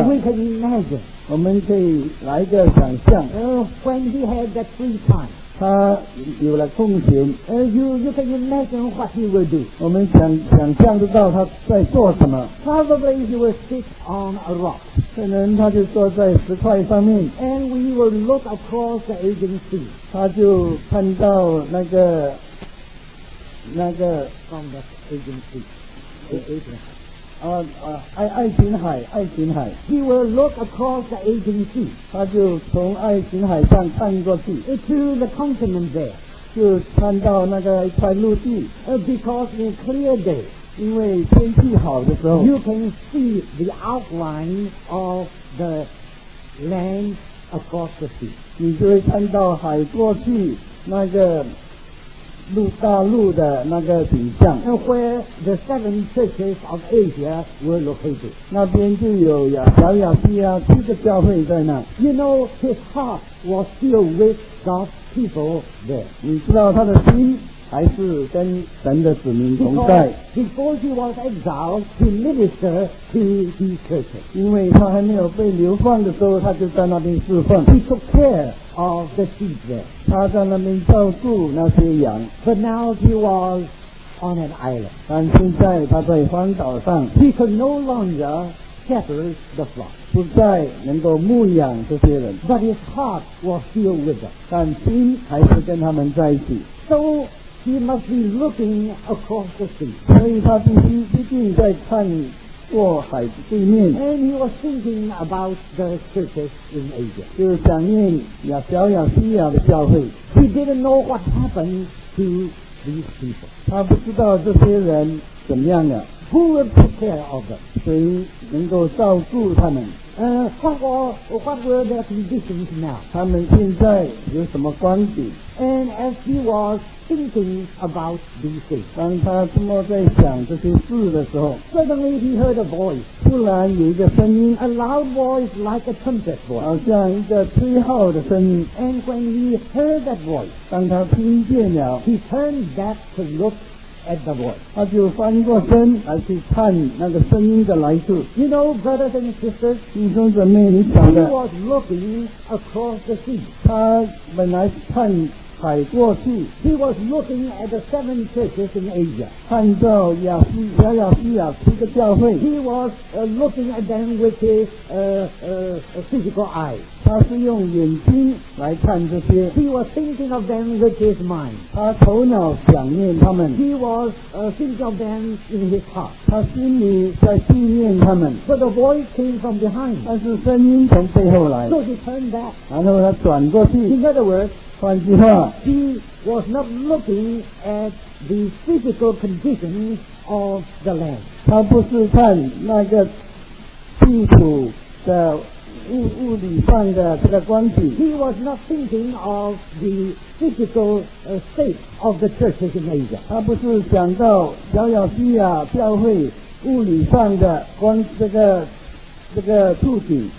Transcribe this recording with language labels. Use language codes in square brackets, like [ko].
[en] we can imagine， [zh] 我们可以来一个想象。 [en] When he had that free time， [zh] 他有了空闲。 [en] You can imagine what he will do， [zh] 我们想象得到他在做什么。 [en] Probably he will sit on a rock， [zh] 可能他就坐在石块上面。 [en] And we will look across the Aegean Sea， [zh] 他就看到那个 [en] from the Aegean Sea， [zh] 爱琴海。 [en] He will look across the Aegean Sea， [zh] 他就从爱琴海上看过去。 [en] To the continent there， [zh] 就看到那个一块陆地。 [en] Because in clear day， [zh] 因为天气好的时候 [en] ，You can see the outline of the land across the sea， [zh] 你就会看到海过去那个。陆大陆的那个景象。 [en] And where the seven churches of Asia were located， [zh] 那边就有小亚细亚七个教会在那。 [en] You know his heart was still with God's people there， [zh] 你知道他的心还是跟神的子民同在。 [en] Because before he was exiled, he ministered to his church， [zh] 因为他还没有被流放的时候，他就在那边侍奉。 [en] He took care of the sheep there， [zh] 他在那边照顾那些羊。 [en] But now he was on an island， [zh] 但现在他在荒岛上。 [en] He could no longer shepherd the flock， [zh] 不再能够牧养这些人。 [en] But his heart was still with them， [zh] 但心还是跟他们在一起。 [en] So he must be looking across the sea， [zh] 所以他必定在看过海对面。 [en] And he was thinking about the churches in Asia， [zh] 就是想念小亚细亚的教会。 [en] He didn't know what happened to these people， [zh] 他不知道这些人怎么样了。 [en] Who will take care of them？ [zh] 谁能够照顾他们？ [en] What were their conditions now？ [zh] 他们现在有什么光景 [en] ？And as he was thinking about these things， [zh] 当他这么在想这些事的时候 [en] ，Suddenly he heard a voice， [zh] 突然有一个声音 [en] ，a loud voice like a trumpet voice， [zh] 好像一个吹号的声音。 [en] And when he heard that voice， [zh] 当他听见了 [en] ，he turned back to look。 At the voice， [zh] 他就翻过身来去看那个声音的来处。 [en] You know, brothers and sisters， [zh] 弟兄姊妹，你晓得。 [en] He was looking across the sea， [zh] 他本来看海过去。 [en] He was looking at the seven churches in Asia， [zh] 看到亚细亚七个教会。 [en] He was looking at them with his physical eye， [zh] 他是用眼睛来看这些。 [en] He was thinking of them with his mind， [zh] 他头脑想念他们。 [en] He was thinking of them in his heart， [zh] 他心里在纪念他们。 [en] But the voice came from behind， [zh] 但是声音从背后来。 [en] So he turned back， [zh] 然后他转过去。 [en] In other words， [zh] 换句话 [en] he was not looking at the physical conditions of the land， [zh] 他不是看那个地土的 物理上的这个光景。 [en] He was not thinking of the physical state of the churches in Asia， [zh] 他不是想到小亚细亚教会物理上的光这个处境。